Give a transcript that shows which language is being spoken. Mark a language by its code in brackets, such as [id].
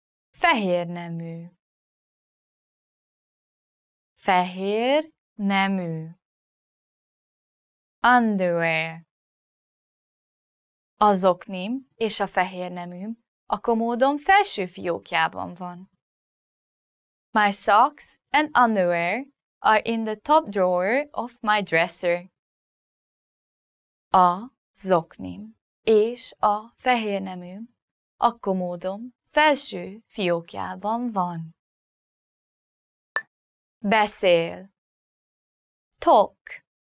[hu] Fehér nemű. Fehér nemű. [en] Underwear. [hu] A zoknim és a fehér neműm a komódom felső fiókjában van. [en] My socks and underwear are in the top drawer of my dresser. [hu] A zoknim és a fehér neműm a komódom felső fiókjában van. Beszél. [en] Talk.